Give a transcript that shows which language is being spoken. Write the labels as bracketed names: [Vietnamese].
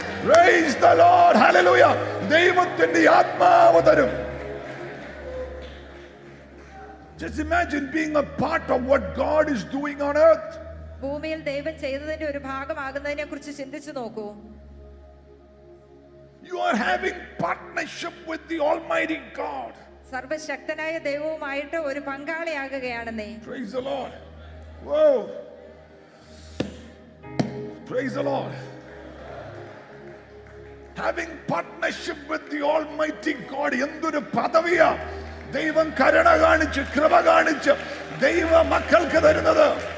[English] Praise the Lord. Hallelujah. [Malayalam] ദൈവത്തിന്റെ ആത്മാവ് തരും. [English] Just imagine being a part of what God is doing on earth. [Malayalam] ഭൂമിയിൽ ദൈവം ചെയ്യുന്നതിന്റെ ഒരു ഭാഗമാകുന്നതിനെ കുറിച്ച് ചിന്തിച്ചു നോക്കൂ. [English] You are having partnership with the Almighty God. [Malayalam] സർവശക്തനായ ദൈവവുമായിട്ട് ഒരു പങ്കാളിയാകുകയാണ് നീ. [English] Praise the Lord. Whoa. Praise the Lord. Having partnership with the Almighty God. [Malayalam] എന്തൊരു പദവിയ ദൈവം കരുണ കാണിച്ച് കൃപ കാണിച്ച് ദൈവ മക്കൾക്ക് തരുന്നത്.